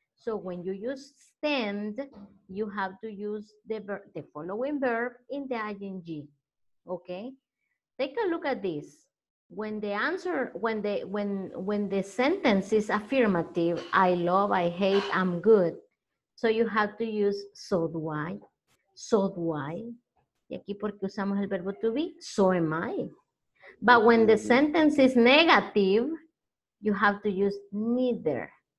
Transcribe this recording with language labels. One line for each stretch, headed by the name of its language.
English: So when you use stand, you have to use the following verb in the ing, okay? Take a look at this. When the sentence is affirmative, I love, I hate, I'm good. So you have to use so do I.
Spanish: Y aquí porque usamos el verbo to be,
English: so am I. But when the sentence is negative, you have to use neither.